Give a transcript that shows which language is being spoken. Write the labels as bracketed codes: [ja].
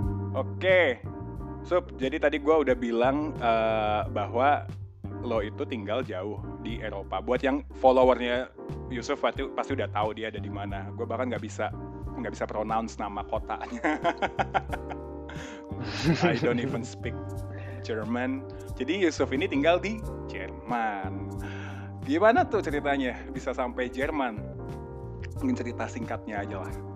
[id] Oke, Sup, jadi tadi gue udah bilang bahwa lo itu tinggal jauh di Eropa. Buat yang followernya Yusuf pasti udah tahu dia ada di mana. Gue bahkan nggak bisa pronounce nama kotanya. [en] I don't even speak German. [id] Jadi Yusuf ini tinggal di Jerman. Gimana tuh ceritanya bisa sampai Jerman? Mungkin cerita singkatnya aja lah.